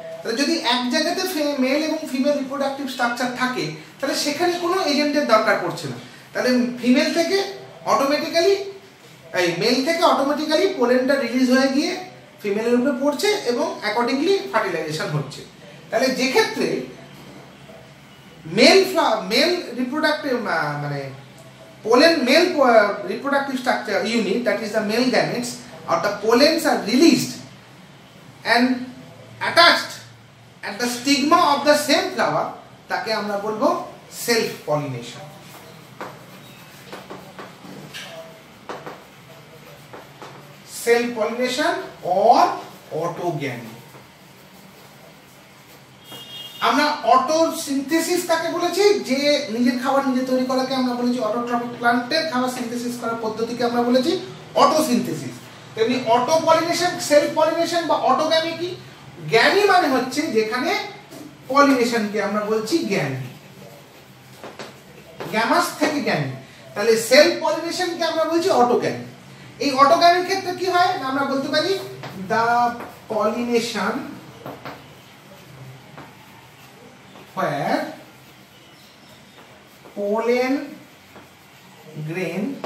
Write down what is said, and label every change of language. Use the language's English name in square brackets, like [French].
[Bangla] তাহলে যদি এক জায়গাতে মেল এবং ফিমেল রিপ্রোডাকটিভ স্ট্রাকচার থাকে তাহলে সেখানে কোনো এজেন্টের দরকার পড়ছে না। তাহলে ফিমেল থেকে অটোমেটিক্যালি, এই মেল থেকে অটোমেটিক্যালি পোলেনটা রিলিজ হয়ে গিয়ে ফিমেলের উপরে পড়ছে এবং অ্যাকর্ডিংলি ফার্টিলাইজেশন হচ্ছে। তাহলে যেক্ষেত্রে [English] male male reproductive মানে pollen male reproductive structure unit, that is the male gametes, or the pollens are released and attached at the stigma of the same flower, [Bangla] take amra bolbo [English] self pollination. Self pollination or autogamy. [Bangla] Amra auto অটোসিনথেসিস কাকে বলেছি, যে নিজের খাবার নিজে তৈরি করাকে আমরা বলেছি অটোট্রফিক প্লান্টের খাবার সিনথেসিস করার পদ্ধতিকে আমরা বলেছি অটোসিনথেসিস। তেমনি অটো পলিনেশন, সেলফ পলিনেশন বা অটোগ্যামি কি? গ্যামি মানে হচ্ছে যেখানে পলিনেশনকে আমরা বলছি গ্যামি, গ্যামাস থেকে গ্যামি। তাহলে সেলফ পলিনেশনকে আমরা বলছি অটোগ্যামি। এই অটোগ্যামির ক্ষেত্রে কি হয় আমরা বলতে পারি, the pollination [English] where pollen grain